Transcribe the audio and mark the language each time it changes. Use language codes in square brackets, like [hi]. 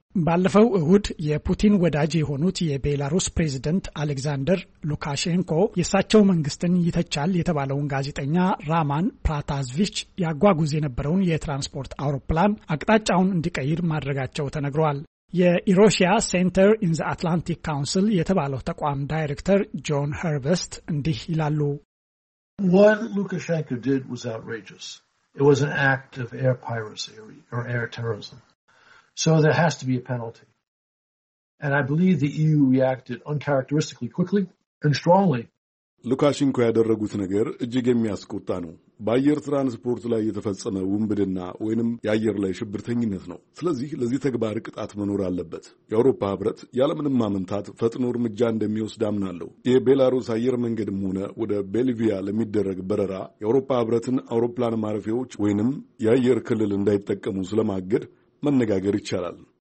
[am] ባለፈው እሁድ የፑቲን ወዳጅ የሆኑት የቤላሩስ ፕሬዝደንት አሌክዛንደር ሉካሼንኮ የእሳቸው መንግስትን ይተቻል የተባለውን ጋዜጠኛ ራማን ፕራታዝቪች ያጓጉዝ የነበረውን የትራንስፖርት አውሮፕላን አቅጣጫውን እንዲቀይር ማድረጋቸው ተነግሯል። የኢሮሽያ ሴንተር ኢን ዘ አትላንቲክ ካውንስል የተባለው ተቋም ዳይሬክተር ጆን ሄርቨስት እንዲህ ይላሉ። [en] What Lukashenko did was outrageous. It was an act of air piracy or air terrorism. So there has to be a penalty. And I believe the EU reacted uncharacteristically quickly and strongly. [am] ሉካሽንኮ ያደረጉት ነገር እጅግ የሚያስቆጣ ነው። በአየር ትራንስፖርት ላይ የተፈጸመ ውንብድና ወይንም የአየር ላይ ሽብርተኝነት ነው። ስለዚህ ለዚህ ተግባር ቅጣት መኖር አለበት። የአውሮፓ ህብረት ያለምንም ማመንታት ፈጥኖ እርምጃ እንደሚወስድ አምናለሁ። የቤላሩስ አየር መንገድም ሆነ ወደ ቦሊቪያ ለሚደረግ በረራ የአውሮፓ ህብረትን አውሮፕላን ማረፊያዎች ወይንም የአየር ክልል እንዳይጠቀሙ ስለማገድ መነጋገር ይቻላል።